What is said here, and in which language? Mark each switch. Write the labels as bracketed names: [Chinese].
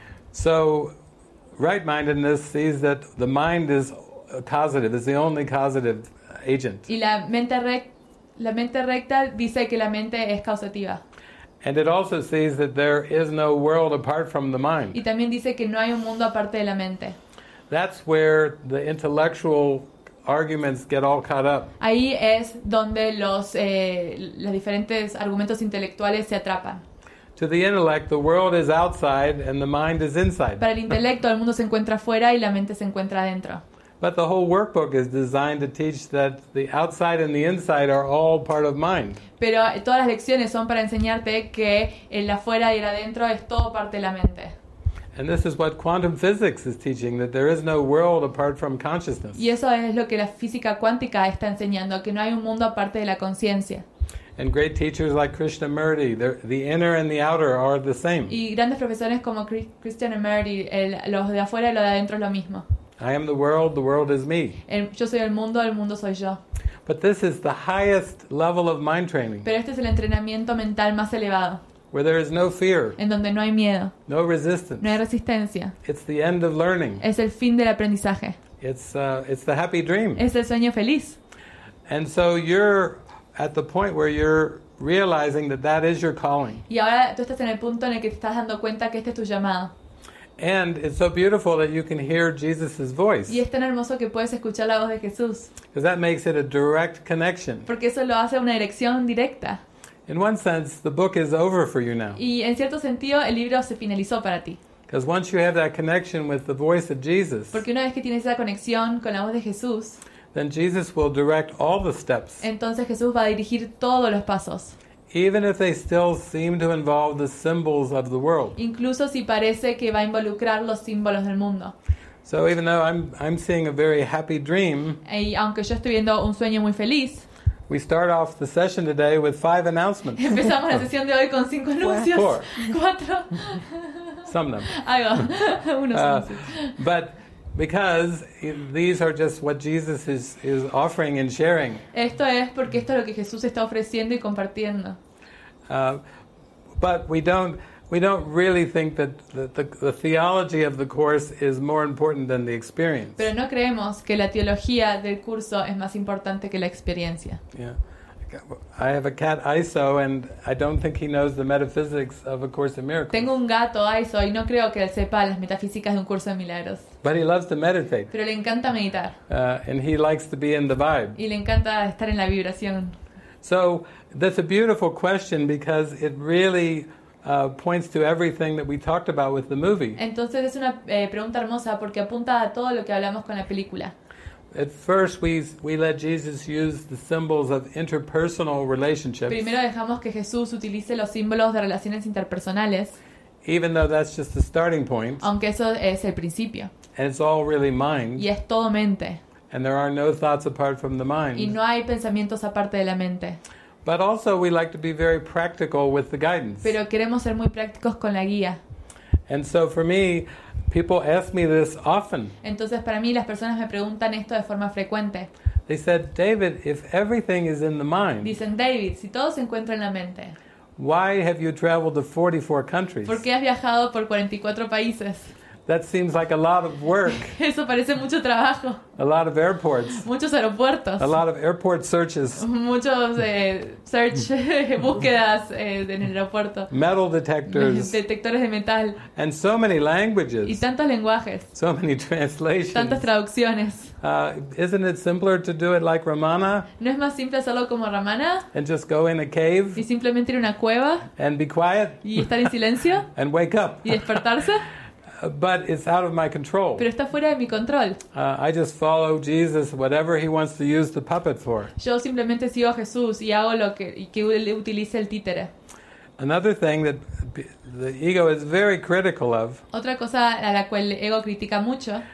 [English] So right-mindedness sees that the mind is causative, is the only causative agent. [Spanish] Y la mente recta dice que la mente es causativa. [English] And it also sees that there is no world apart from the mind. [Spanish] Y también dice que no hay un mundo aparte de la mente. [English] That's where the intellectual arguments get all caught up. [Spanish] Ahí es donde los diferentes argumentos intelectuales se atrapan. [English] To the intellect, the world is outside and the mind is inside. [Spanish] Para el intelecto, el mundo se encuentra fuera y la mente se encuentra dentro. [English] But the whole workbook is designed to teach that the outside and the inside are all part of mind. [Spanish] Pero todas las lecciones son para enseñarte que el afuera y el adentro es todo parte de la mente. [English] And this is what quantum physics is teaching, that there is no world apart from consciousness. [Spanish] Y eso es lo que la física cuántica está enseñando, que no hay un mundo aparte de la conciencia. [English] And great teachers like Krishnamurti, the inner and the outer are the same. [Spanish] Y grandes profesores como Krishnamurti, los de afuera y los de adentro es lo mismo. [English] I am the world is me. [Spanish] Yo soy el mundo soy yo. [English] But this is the highest level of mind training. [Spanish] Pero este es el entrenamiento mental más elevado. [English] Where there is no fear. [Spanish] En donde no hay miedo. [English] No resistance. [Spanish] No hay resistencia. [English] It's the end of learning. [Spanish] Es el fin del aprendizaje. [English] It's the happy dream. [Spanish] Es el sueño feliz. [English] And so you're at the point where you're realizing that that is your calling. [Spanish] Y ahora tú estás en el punto en el que te estás dando cuenta que este es tu llamado. [English] And it's so beautiful that you can hear Jesus' voice. [Spanish] Y es tan hermoso que puedes escuchar la voz de Jesús. [English] Because that makes it a direct connection. [Spanish] Porque eso lo hace una dirección directa. [English] In one sense, the book is over for you now. [Spanish] Y en cierto sentido, el libro se finalizó para ti. [English] Because once you have that connection with the voice of Jesus. [Spanish] Porque una vez que tienes esa conexión con la voz de Jesús. [English] Then Jesus will direct all the steps. [Spanish] Entonces Jesús va a dirigir todos los pasos. [English] Even if they still seem to involve the symbols of the world. [Spanish] Incluso si parece que va a involucrar los símbolos del mundo. [English] So even though I'm seeing a very happy dream. [Spanish] Y aunque yo estoy viendo un sueño muy feliz. [English] We start off the session today with 5 announcements. [Spanish] Empezamos la sesión de hoy con 5 anuncios. [English] 4. [Spanish] 4. [English] Some of them. [Spanish] Algo. Unos anuncios. [English] But because these are just what Jesus is offering and sharing. [Spanish] Esto es porque esto es lo que Jesús está ofreciendo y compartiendo. [English] But we don't really think that the theology of the course is more important than the experience. [Spanish] Pero no creemos que la teología del curso es más importante que la experiencia. Yeah. [English] I have a cat Iso and I don't think he knows the metaphysics of a course in miracles. [Spanish] Tengo un gato Iso y no creo que él sepa las metafísicas de un curso de milagros. [English] But he loves to meditate. [Spanish] Pero le encanta meditar. [English] And he likes to be in the vibe. [Spanish] Y le encanta estar en la vibración. [English] So that's a beautiful question because it really points to everything that we talked about with the movie. [Spanish] Entonces es una pregunta hermosa porque apunta a todo lo que hablamos con la película. [English] At first we let Jesus use the symbols of interpersonal relationships. [Spanish] Primero dejamos que Jesús utilice los símbolos de relaciones interpersonales. [English] Even though that's just the starting point. [Spanish] Aunque eso es el principio. [English] And it's all really mind. [Spanish] Y es todo mente. [English] And there are no thoughts apart from the mind. [Spanish] Y no hay pensamientos aparte de la mente. [English] But also we like to be very practical with the guidance. [Spanish] Pero queremos ser muy prácticos con la guía. [English] And so for me, people ask me this often. [Spanish] Entonces para mí las personas me preguntan esto de forma frecuente. [English] They said, David, if everything is in the mind. [Spanish] Dicen, David, si todo se encuentra en la mente. [English] Why have you traveled to 44 countries? [Spanish] ¿Por qué has viajado por 44 países? [English] That seems like a lot of work. [Spanish] Eso parece mucho trabajo. [English] A lot of airports. [Spanish] Muchos aeropuertos. [English] A lot of airport searches. [Spanish] Muchos búsquedas en el aeropuerto. [English] Metal detectors. [Spanish] Detectores de metal. [English] And so many languages. [Spanish] Y tantos lenguajes. [English] So many translations. [Spanish] Tantas traducciones. [English] Isn't it simpler to do it like Ramana? [Spanish] ¿No es más simple hacerlo como Ramana? [English] And just go in a cave. [Spanish] Y simplemente ir a una cueva. [English] And be quiet. [Spanish] Y estar en silencio. [English] And wake up. [Spanish] Y despertarse. [English] But it's out of my control. [Spanish] Pero está fuera de mi control. [English] I just follow Jesus, whatever he wants to use the puppet for. [Spanish] Yo simplemente sigo a Jesús y hago lo que utilice el títere. [English] Another thing that the ego is very critical of. [Spanish] Otra cosa a la cual el ego critica mucho.